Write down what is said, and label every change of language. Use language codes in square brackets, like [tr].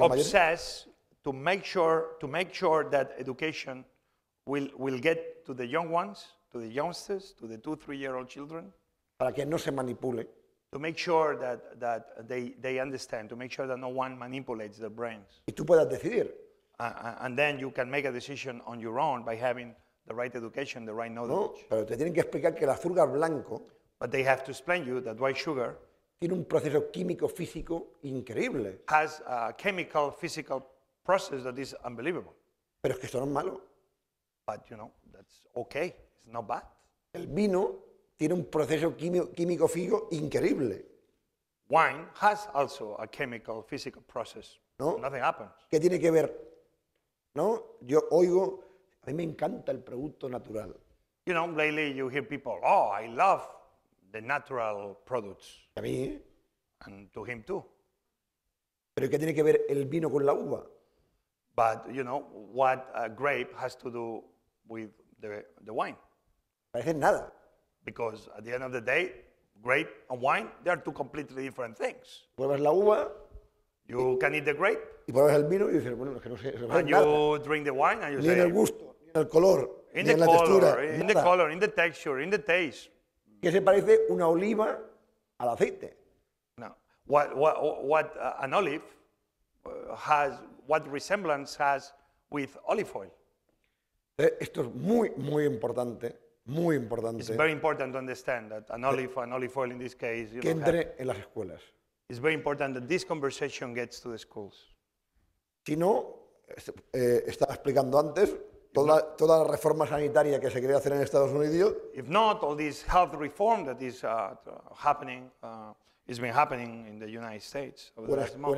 [en] are obsessed to make sure that education will get to the young ones, to the youngsters, to the 2-3 year old children. [es] Para que no se manipule. [en] To make sure that they understand, to make sure that no one manipulates their brains. [es] Y tú puedas decidir. [en] And then you can make a decision on your own by having the right education, the right knowledge. [es] No, pero te tienen que explicar que el azúcar blanco. [en] But they have to explain you that white sugar. [es] Tiene un proceso químico-físico increíble. [en] Has a chemical, physical process that is unbelievable. [es] Pero es que esto no es malo. [en] But you know, that's okay. It's not bad. [es] El vino tiene un proceso químico físico increíble. [en] Wine has also a chemical physical process. [es] ¿No? [en] Nothing happens. [es] ¿Qué tiene que ver? ¿No? Yo oigo, a mí me encanta el producto natural. [en] You know, lately you hear people, oh, I love the natural products. [es] A mí. [en] And to him too. [es] ¿Pero qué tiene que ver el vino con la uva? [en] But, you know, what a grape has to do with the wine. [es] Parece nada. [en] Because at the end of the day, grape and wine, they are two completely different things. [es] Pruebas la uva. [en] You can eat the grape. [es] Y pruebas el vino y dices, bueno, es que no sé. [en] And [es] nada. [en] You drink the wine and you [es] ni [en] say. [es] Ni en el gusto, ni en el color, ni en la textura. [en] In the color, in the texture, in the taste. [es] ¿Qué se parece una oliva al aceite? No. [en] What an olive has, what resemblance has with olive oil? [es] Esto es muy, muy importante. Muy importante. [en] It's very important to understand that an olive oil in this case. [es] Que entre en las escuelas. [en] It's very important that this conversation gets to the schools. [es] Si no, estaba explicando antes toda la reforma sanitaria que se quiere hacer en Estados Unidos. [en] If not, all this health reform that is happening, it's been happening in the United States over the last months.